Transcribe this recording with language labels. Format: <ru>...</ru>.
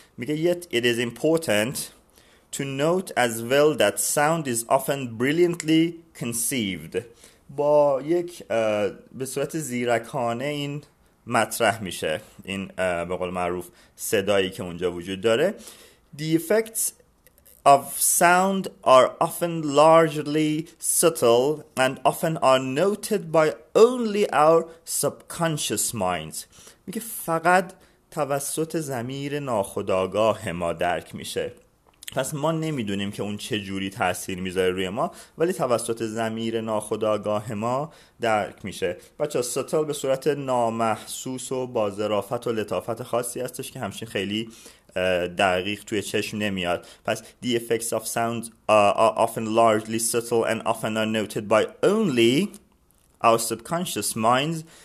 <fa>میگه</fa> <en>yet it is important to note as well that sound is often brilliantly conceived.</en> <fa>با یک به صورت زیرکانه این مطرح میشه، این به قول معروف صدایی که اونجا وجود داره.</fa> <en>The effects of sound are often largely subtle and often are noted by only our subconscious minds.</en> <fa>میگه فقط توسط ضمیر ناخودآگاه ما درک میشه، پس ما نمیدونیم که اون چه جوری تاثیر میذاره روی ما، ولی توسط ضمیر ناخودآگاه ما درک میشه. بچه ستل به صورت نامحسوس و با ظرافت و لطافت خاصی هستش که همچنین خیلی دقیق توی چشم نمیاد. پس</fa> <en>the effects of sound are often largely subtle and often are noted by only our subconscious minds.</en>